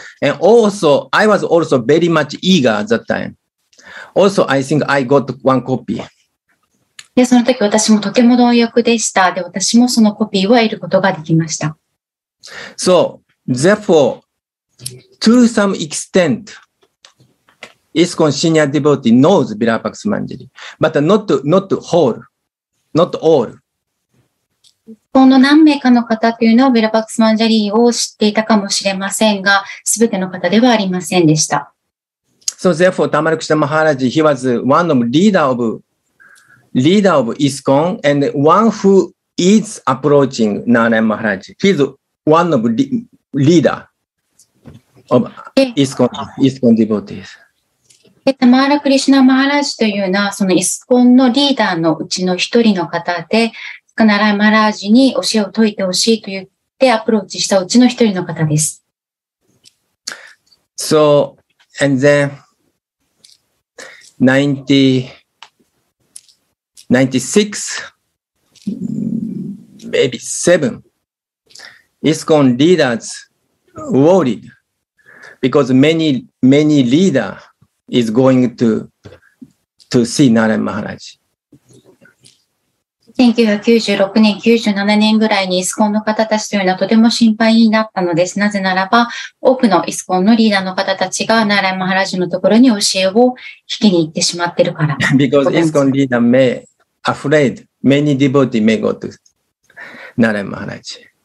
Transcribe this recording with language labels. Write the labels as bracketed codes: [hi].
[en] And also, I was also very much eager at that time. Also, I think I got one copy. [ja] で、その時私もとても貪欲でした。で、私もそのコピーを得ることができました。 [en] So, therefore, to some extent, ISKCON senior devotee knows Virapaksa Manjari, but not whole, not all. [ja] この何名かの方というのはベラパクスマンジャリーを知っていたかもしれませんが、すべての方ではありませんでした。 [en] So therefore, Tamalakrishna Maharaj, he was one of leader of ISKCON and one who is approaching Narayan Maharaj. He's one of leader of ISKCON devotees. [ja] タマーラ・クリシュナ・マハラジというのは、そのイスコンのリーダーのうちの一人の方で、ナラヤマハラージに教えを説いてほしいと言ってアプローチしたうちの一人の方です。 [en] So, and then, 1996, maybe 7, ISKCON leaders worried because many leader is going to see ナラヤマハラージ。 [ja] 1996年、97年ぐらいにイスコンの方たちというのはとても心配になったのです。なぜならば、多くのイスコンのリーダーの方たちがナラヤマハラジのところに教えを聞きに行ってしまってるから。 [en] Because ISKCON leader may afraid many devotees may go to ナラヤマハラジ。